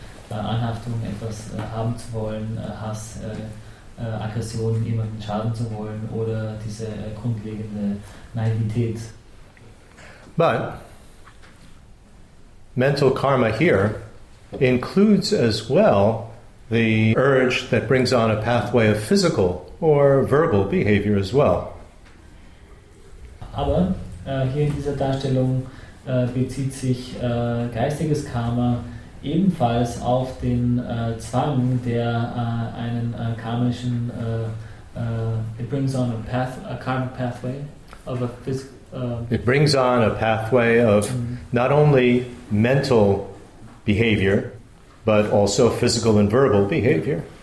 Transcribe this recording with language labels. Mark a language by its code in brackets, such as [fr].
[de] Anhaftung, etwas haben zu wollen, Hass, Aggression, jemanden schaden zu wollen oder diese grundlegende Naivität. [en] But mental karma here includes as well the urge that brings on a pathway of physical or verbal behavior as well. [de] Aber hier in dieser Darstellung bezieht sich geistiges Karma ebenfalls auf den Zwang, der einen karmischen [en] it brings on a path, a karma pathway of a physical. It brings on a pathway of not only mental behavior, but also physical and verbal behavior.